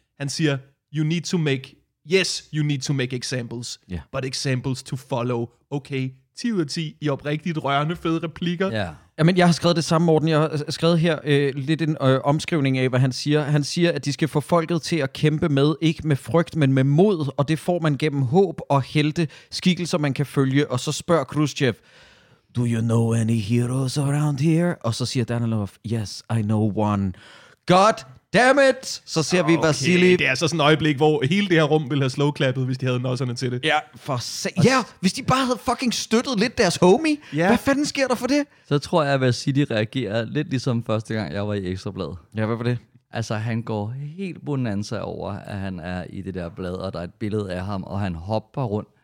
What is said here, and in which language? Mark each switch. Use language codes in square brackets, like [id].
[da] Han siger, [en] you need to make examples, yeah. But examples to follow. [da] Okay, 10 ud af 10 i oprigtigt rørende fede replikker. [en] Yeah. [da] Jamen, jeg har skrevet det samme, Morten. Jeg har skrevet her lidt en omskrivning af, hvad han siger. Han siger, at de skal få folket til at kæmpe med, ikke med frygt, men med mod, og det får man gennem håb og helte, skikkelser, man kan følge. Og så spørger Khrushchev, [en] do you know any heroes around here? [da] Og så siger Danilov, [en] yes, I know one. God damn it! [da] Så ser vi Vasili. Det er så sådan et øjeblik, hvor hele det her rum ville have slow-clappet, hvis de havde nosserne til det. Ja, hvis de bare havde fucking støttet lidt deres homie. Ja. Hvad fanden sker der for det? Så tror jeg, at Vasili reagerer lidt ligesom første gang, jeg var i Ekstrabladet. Ja, hvad var det? Altså, han går helt bonanza over, at han er i det der blad, og der er et billede af ham, og han hopper rundt.